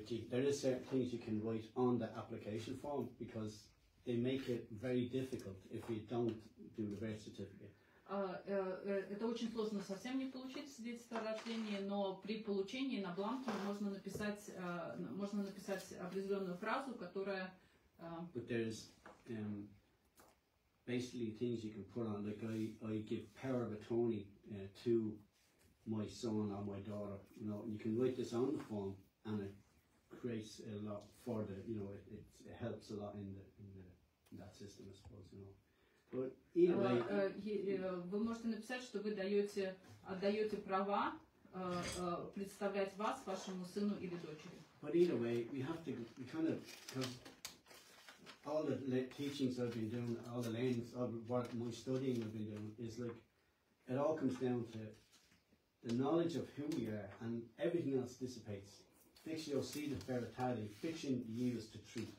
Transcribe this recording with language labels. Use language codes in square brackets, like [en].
[en] There is certain things you can write on the application form because they make it very difficult if you don't do the birth certificate. [ru] Это очень сложно совсем не получить свидетельство о рождении, но при получении на бланке можно написать определенную фразу, которая. [en] But there's basically things you can put on, like I give power of attorney to my son or my daughter. You know, you can write this on the form. And it creates a lot for the, you know, it helps a lot in that system, I suppose, you know. But either way, [ru] вы можете написать, что вы отдаете права представлять вас вашему сыну или дочери. [en] But either way, we have to, we kind of, because all the teachings I've been doing, all the learnings, all the work, my studying I've been doing, is like, it all comes down to the knowledge of who we are, and everything else dissipates. Fiction, you'll see the fertility, fiction yields to truth.